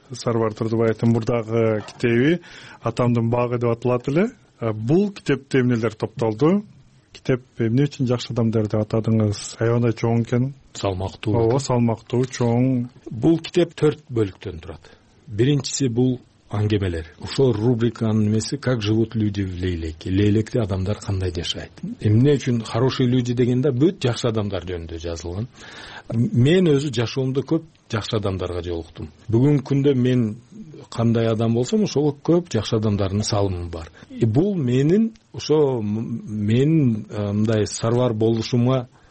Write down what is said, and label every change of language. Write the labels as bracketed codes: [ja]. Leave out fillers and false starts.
[ky] Сарвар Турдубаевдин мурдагы китеби «Атамдын багы» деп аталат эле. Бул китепте эмнелер топтолду? Китеп эмне үчүн «Жакшы адамдар» деп атадыңыз? Аябай чоң экен. Салмактуу. Ооба, салмактуу, чоң. Бул китеп 4 бөлүктөн турат. Биринчиси бул аңгемелер. Ошол рубриканын эмеси [ru] «Как живут люди в лейлеке?» [ky] Лейлекте адамдар кандай жашайт? Эмне үчүн «Хорошие люди» дегенде бүт жакшы адамдар жөнүндө жазылган? Мен өзү жашоомдо көп жакшы адамдарга жолуктум. Бүгүнкү күндө мен кандай адам болсом, ошол көп жакшы адамдардын салымы бар. Бул менин ошо мындай сарвар болушума